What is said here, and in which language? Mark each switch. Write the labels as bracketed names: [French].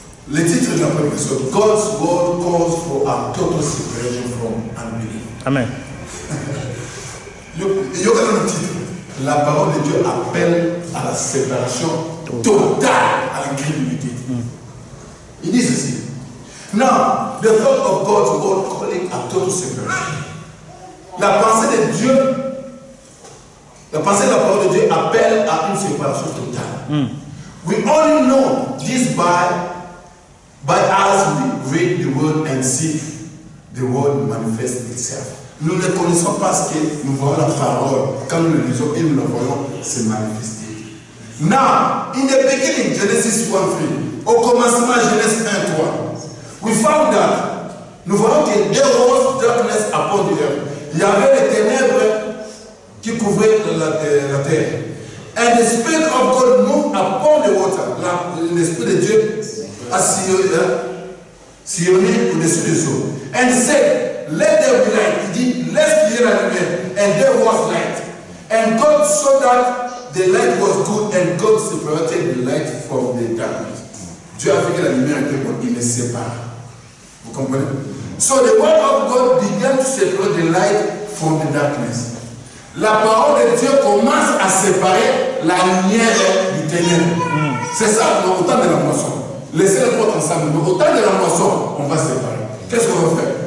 [French] Le titre de la prédication, [English] God's word calls for a total separation from unbelief. [French] Amen. Yo, quand le titre, la parole de Dieu appelle à la séparation totale à l'incrédulité. Il dit ceci. [English] Now, the thought of God's word calling a total separation. [French] La pensée de Dieu, la pensée de la parole de Dieu appelle à une séparation totale. [English] We only know this by as we read the word and see the word manifest itself. [French] Nous ne connaissons pas ce que nous voyons la parole. Quand nous le lisons et nous la voyons, se manifester. [English] Now, in the beginning, Genesis 1:3, [French] au commencement, [English] Genesis 1:3, we found that, [French] nous voyons que [English] there was darkness upon the earth. [French] Il y avait les ténèbres qui couvraient la terre. [English] And the Spirit of God moved upon the water. [French] L'Esprit de Dieu a sillonné au-dessus des eaux. [English] And said, let there be light. [French] Il dit, laisse qu'il y ait la lumière. [English] And there was light. And God saw that the light was good. And God separated the light from the darkness. [French] Dieu a fait que la lumière était bonne. Il les sépare. Vous comprenez? [English] So the word of God began to separate the light from the darkness. [French] La parole de Dieu commence à séparer la lumière du ténèbre. C'est ça, dans le temps de la moisson. Laissez les potes ensemble, mais au temps de la moisson, on va se séparer. Qu'est-ce qu'on va faire?